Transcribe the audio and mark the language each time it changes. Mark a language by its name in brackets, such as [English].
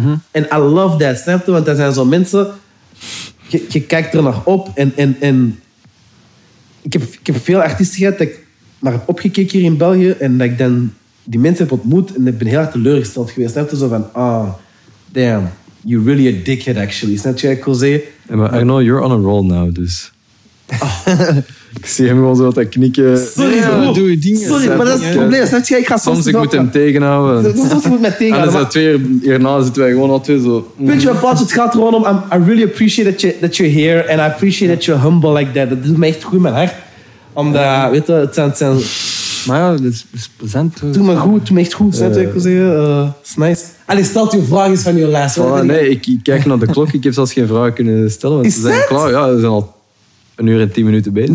[Dutch] En [English] I love that, [Dutch] snap je? Want dat zijn zo mensen, je kijkt er naar op. En ik heb veel artiesten gehad, dat ik naar heb opgekeken hier in België en dat ik dan... Die mensen heb ontmoet en ik ben heel erg teleurgesteld geweest. Snap je zo van, [English] ah, oh, damn, you're really a dickhead actually. [Dutch] Snap je wat ik wil zeggen? [English] I know you're on a roll now, [Dutch] dus. Ik zie hem gewoon zo wat knikken. Sorry, ja, bro. Doe je dingen. Sorry, zetten. Maar dat is het probleem. Snap je, ik ga soms ik moet hem tegenhouden. Soms moet mij tegenhouden. En dan twee, hierna zitten wij gewoon al twee zo. Weet je wat, Bart, het gaat gewoon om, [English] I really appreciate that you're here and I appreciate that you're humble like that. [Dutch] Dat doet me echt goed in mijn hart. Omdat, weet je, het zijn maar ja, dat is plezant. Doe me goed, doe me echt goed. Zet ik zeggen. Het is nice. Allee, stelt u vragen van je les. Oh, nee, ik kijk naar de klok. Ik heb zelfs geen vragen kunnen stellen. Want is ze zijn dat? Klaar. Ja, we zijn al 1 uur en 10 minuten bezig.